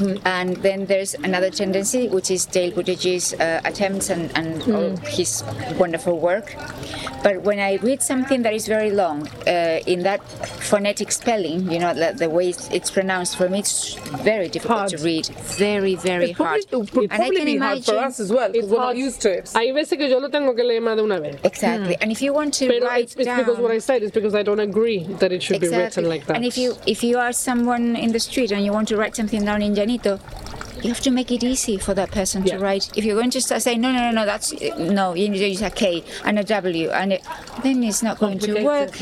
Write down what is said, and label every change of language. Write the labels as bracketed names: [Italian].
[English] And then there's another tendency, which is Dale Buttigieg's attempts and all his wonderful work. But when I read something that is very long in that phonetic spelling, you know, the way it's pronounced, for me, it's very difficult to read. Very, very hard. It would probably be hard for us as well. [Spanish] Hay veces que yo lo tengo que leer más de una vez. [English] Exactly. And if you want to It's because I don't agree that it should be written like that. And if you are someone in the street and you want to write something down in Janito, you have to make it easy for that person to write. If you're going to start saying no, you need to use a K and a W, and then it's not going to work.